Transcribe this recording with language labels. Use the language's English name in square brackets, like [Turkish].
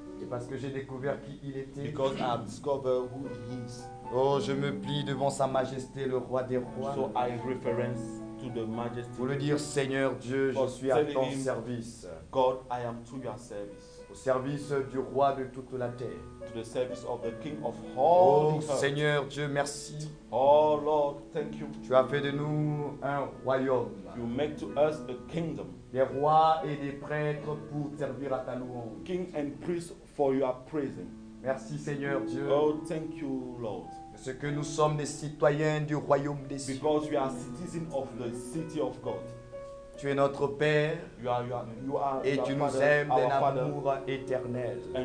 [French] Et parce que j'ai découvert qui il était. [English] Because I have discovered who He is. [French] Oh, je me plie devant Sa Majesté, le Roi des Rois. [English] So I reference to the Majesty. [French] Pour le dire, Seigneur Dieu, je suis à ton service. [English] God, I am to your service. [French] Au service du Roi de toute la terre. [English] To the service of the King of all oh, the earth. [French] Seigneur Dieu, merci. [English] Oh Lord, thank you. [French] Tu as fait de nous un royaume. [English] You make to us a kingdom. [French] Des rois et des prêtres pour servir à ta louange. [English] King and priest for your praise. [French] Merci Seigneur Dieu. [English] Oh, thank you Lord. [French] Parce que nous sommes des citoyens du royaume des cieux. [English] Because we are citizens of the city of God. [French] Tu es notre Père et tu nous aimes d'un amour éternel.